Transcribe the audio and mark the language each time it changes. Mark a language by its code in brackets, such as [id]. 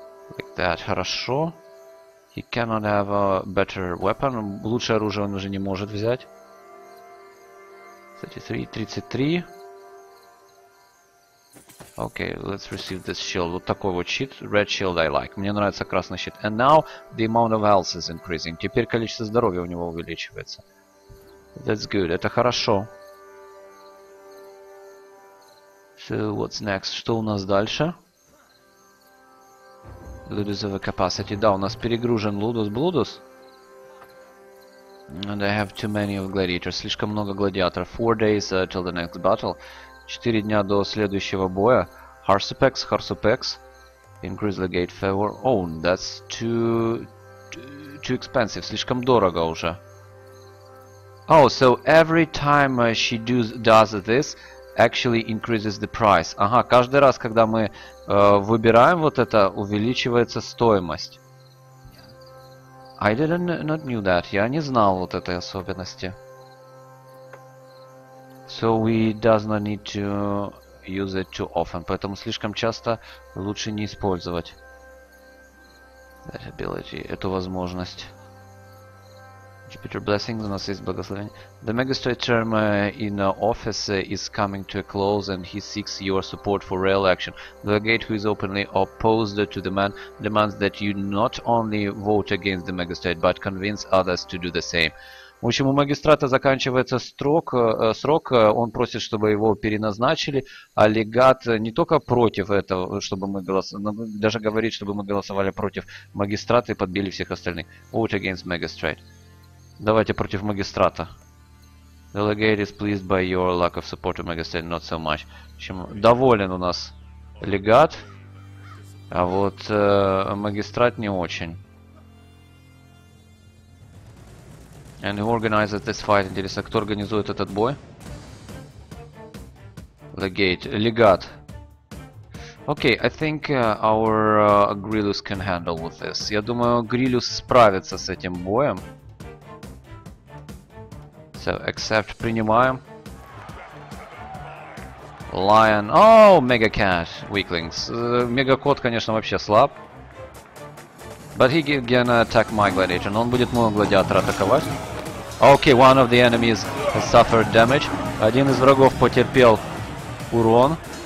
[en] Like that, [ru] хорошо. [en] He cannot have a better weapon. [ru] Лучшее оружие он уже не может взять. [en] 33. Okay, let's receive this shield. [ru] Вот такой вот щит. [en] Red shield I like. [ru] Мне нравится красный щит. [en] And now the amount of health is increasing. [ru] Теперь количество здоровья у него увеличивается. [en] That's good. [ru] Это хорошо. [en] So, what's next? [ru] Что у нас дальше? [en] Ludus of a capacity. [ru] Да, у нас перегружен Ludus Bludus. [en] And I have too many of gladiators. [ru] Слишком много гладиаторов. [en] 4 days till the next battle. [ru] 4 дня до следующего боя. [en] Harsopex, Harsopex. Increase legate favor. Oh, that's too expensive. [ru] Слишком дорого уже. [en] Oh, so every time she does this, actually increases the price. [ru] Ага, каждый раз, когда мы выбираем вот это, увеличивается стоимость. [en] I didn't not knew that. [ru] Я не знал вот этой особенности. [en] So we does not need to use it too often. [ru] Поэтому слишком часто лучше не использовать. [en] That ability, [ru] эту возможность. Jupiter blessings, у нас есть благословение. [en] The magistrate term in office is coming to a close and he seeks your support for real action. The legate who is openly opposed to the man demands that you not only vote against the magistrate, but convince others to do the same. [ru] В общем, у магистрата заканчивается срок, он просит, чтобы его переназначили, а легат не только против этого, чтобы мы голосовали, но даже говорит, чтобы мы голосовали против магистрата и подбили всех остальных. [en] Vote against magistrate. [ru] Давайте против магистрата. [en] The legate is pleased by your lack of support to magistrate, not so much. [ru] В общем, доволен у нас легат, а вот магистрат не очень. [en] And who organizes this fight? [ru] Интересно, кто организует этот бой? [en] Legate. Легат. Okay, I think our Grillus can handle with this. [ru] Я думаю, Grillus справится с этим боем. [en] So accept, [ru] принимаем. [en] Lion. Oh, Mega Cat, weaklings. Mega Cat, [ru] конечно, вообще слаб. [en] But he can attack my gladiator. [ru] Но он будет моего гладиатора атаковать. [en] Okay, one of the enemies has suffered damage. [ru] Один из врагов потерпел урон.